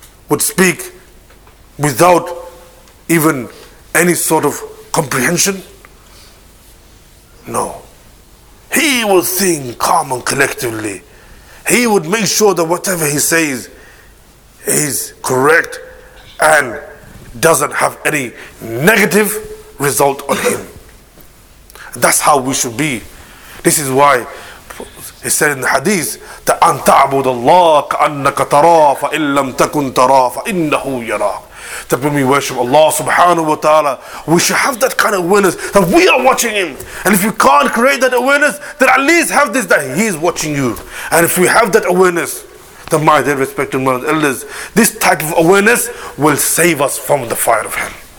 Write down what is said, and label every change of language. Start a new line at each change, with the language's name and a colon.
English: Would speak without even any sort of comprehension? No. He will think calm and collectively. He would make sure that whatever he says is correct and doesn't have any negative result on him. That's how we should be. This is why he said in the hadith that
Arabic: أَن تَعْبُدَ اللَّهَ كَأَنَّكَ تَرَى فَإِن لَمْ تَكُن تَرَى فَإِنَّهُ يَرَى.
English: That when we worship Allah subhanahu wa ta'ala, we should have that kind of awareness that we are watching him. And if you can't create that awareness, then at least have this, that he is watching you. And if we have that awareness, then my dear respected mothers and elders, this type of awareness will save us from the fire of hell.